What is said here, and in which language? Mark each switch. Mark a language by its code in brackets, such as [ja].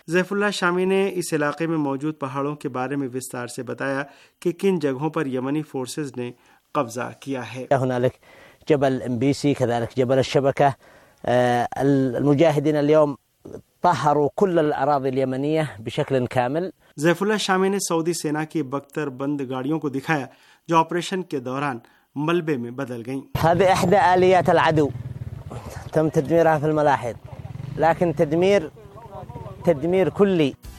[hi] ज़ैफुल्ला शामी ने इस इलाके में मौजूद पहाड़ों के बारे में विस्तार से बताया कि किन जगहों पर यमनी फोर्सेस ने कब्जा किया है। [ar] هنالك جبل MBC كذلك جبل الشبكة المجاهدين اليوم طهروا كل الأراضي اليمنية بشكل كامل. [hi] ज़ैफुल्ला शामी ने सऊदी सेना की बख्तर बंद गाड़ियों को दिखाया जो ऑपरेशन के दौरान मलबे में बदल गईं। [ar] هذه احدى آليات العدو تم تدميرها في الملاحظ لكن تدمير كلي.